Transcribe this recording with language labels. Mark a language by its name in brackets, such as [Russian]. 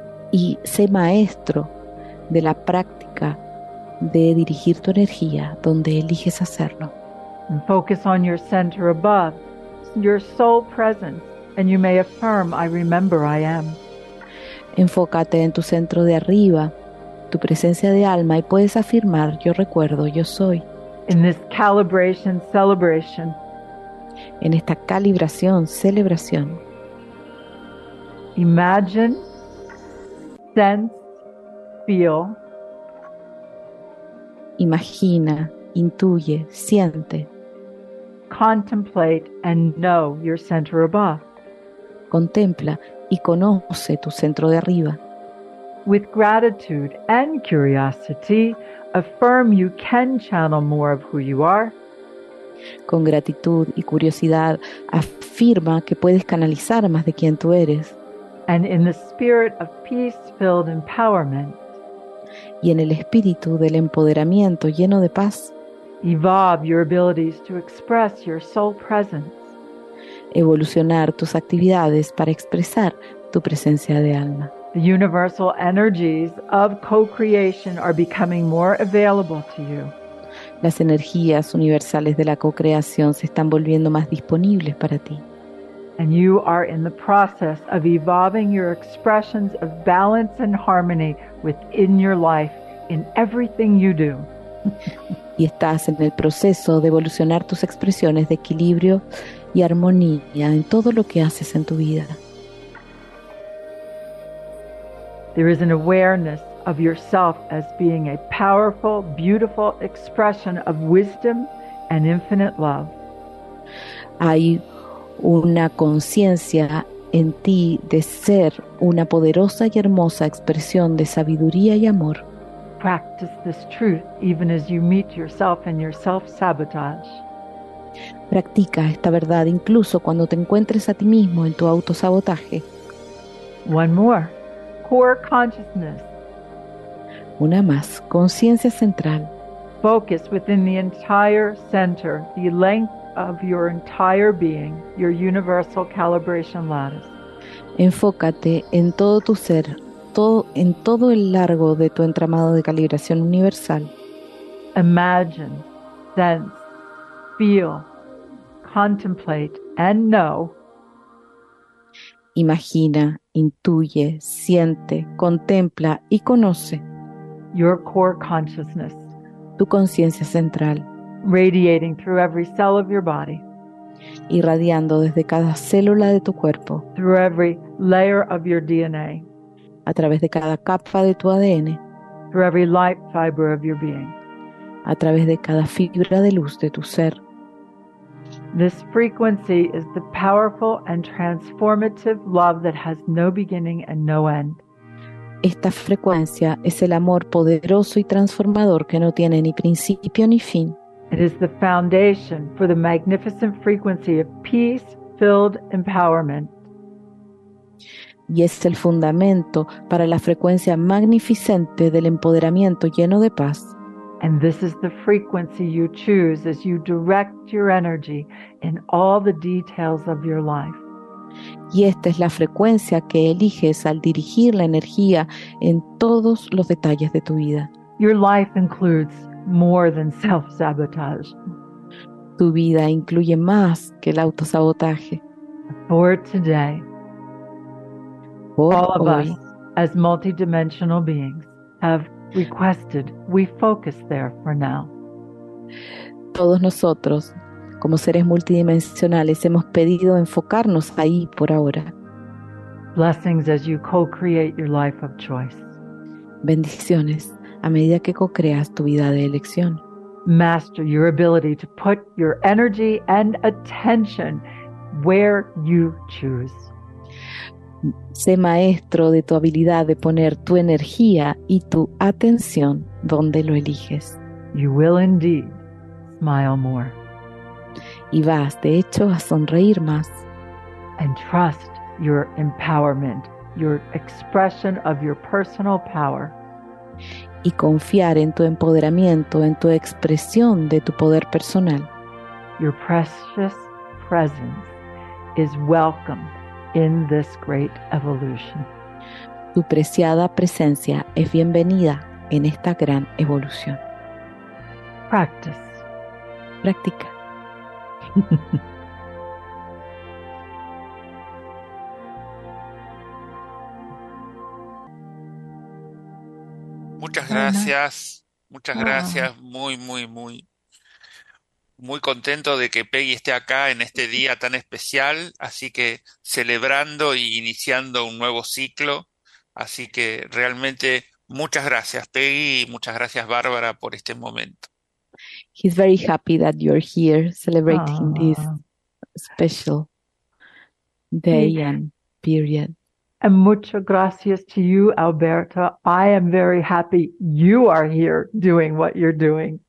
[Spanish] Y sé maestro de la práctica de dirigir tu energía donde eliges hacerlo. [English] And focus on your center above, your soul presence, and you may affirm, I remember I am. [Spanish] Enfócate en tu centro de arriba, tu presencia de alma, y puedes afirmar, yo recuerdo, yo soy. [English] In this calibration, celebration. [Spanish] En esta calibración, celebración. [English] Imagine, sense, feel. [Spanish] Imagina, intuye, siente. [English] Contemplate and know your center above. [Spanish] Contempla y conoce tu centro de arriba. [English] With gratitude and curiosity, affirm you can channel more of who you are. [Spanish] Con gratitud y curiosidad, afirma que puedes canalizar más de quien tú eres. [English] And in the spirit of peace-filled empowerment, [Spanish] y en el espíritu del empoderamiento lleno de paz, [English] evolve your abilities to express your soul presence. [Spanish] Evolucionar tus actividades para expresar tu presencia de alma. [English] The universal energies of co-creation are becoming more available to you. [Spanish] Las energías universales de la co-creación se están volviendo más disponibles para ti. [English] And you are in the process of evolving your expressions of balance and harmony within your life in everything you do. [Spanish] Y estás en el proceso de evolucionar tus expresiones de equilibrio y armonía en todo lo que haces en tu vida. [English] There is an awareness of yourself as being a powerful, beautiful expression of wisdom and infinite love. [Spanish] Hay una conciencia en ti de ser una poderosa y hermosa expresión de sabiduría y amor. [English] Practice this truth even as you meet yourself and your self-sabotage. [Spanish] Practica esta verdad incluso cuando te encuentres a ti mismo en tu autosabotaje. [English] One more. Core consciousness. [Spanish] Una más. Conciencia central. [English] Focus within the entire center, the length of your entire being, your universal calibration lattice. [Spanish] Enfócate en todo tu ser, en todo el largo de tu entramado de calibración universal. [English] Imagine, sense, feel, contemplate, and know. [Spanish] Imagina, intuye, siente, contempla y conoce. [English] Your core consciousness. [Spanish] Tu conciencia central. [English] Radiating through every cell of your body. [Spanish] Irradiando desde cada célula de tu cuerpo. [English] Through every layer of your DNA. [Spanish] A través de cada capa de tu ADN. [English] Through every light fiber of your being. [Spanish] A través de cada fibra de luz de tu ser. [English] This frequency is the powerful and transformative love that has no beginning and no end. [Spanish] Esta frecuencia es el amor poderoso y transformador que no tiene ni principio ni fin. [English] It is the foundation for the magnificent frequency of peace-filled empowerment. [Spanish] Y es el fundamento para la frecuencia magnificente del empoderamiento lleno de paz. [English] And this is the frequency you choose as you direct your energy in all the details of your life. [Spanish] Y esta es la frecuencia que eliges al dirigir la energía en todos los detalles de tu vida. [English] Your life includes more than self-sabotage. [Spanish] Tu vida incluye más que el autosabotaje. [English] For today, [Spanish] por [English] all [Spanish] hoy, [English] of us, as multidimensional beings, have requested we focus there for now. [Spanish] Todos nosotros, como seres multidimensionales, hemos pedido enfocarnos ahí por ahora. [English] Blessings as you co-create your life of choice. [Spanish] Bendiciones a medida que co-creas tu vida de elección. [English] Master your ability to put your energy and attention where you choose. [Spanish] Sé maestro de tu habilidad de poner tu energía y tu atención donde lo eliges. [English] You will indeed smile more. [Spanish] Y vas, de hecho, a sonreír más. [English] And trust your empowerment, your expression of your personal power. [Spanish] Y confiar en tu empoderamiento, en tu expresión de tu poder personal. [English] Your precious presence is welcome in this great evolution. [Spanish] Tu preciada presencia es bienvenida en esta gran evolución. [English] Practice. [Spanish] Practica. Muchas gracias, muchas gracias, muy contento de que Peggy esté acá en este día tan especial, así que celebrando y iniciando un nuevo ciclo, así que realmente muchas gracias Peggy y muchas gracias Bárbara por este momento. [English] He's very happy that you're here celebrating Aww. This special day and period. And [Spanish] muchas gracias [English] to you, Alberto. I am very happy you are here doing what you're doing.